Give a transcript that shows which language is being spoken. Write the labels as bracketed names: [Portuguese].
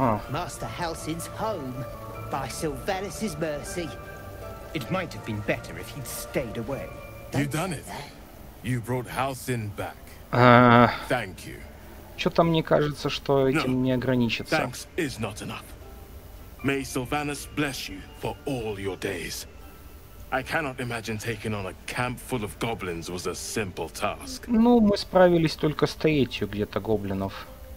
[English] Master Halsin's home, by Sylvanus's mercy. It might have been better if he'd stayed away. You've done it. You brought Halsin back. Thank you. [Russian] Что-то мне кажется, что этим не ограничится. [English] Thanks is not enough. May Sylvanus bless you for all your days. I cannot imagine taking on a camp full of goblins was a simple task. [Russian] Ну, мы справились только с третью где-то гоблинов.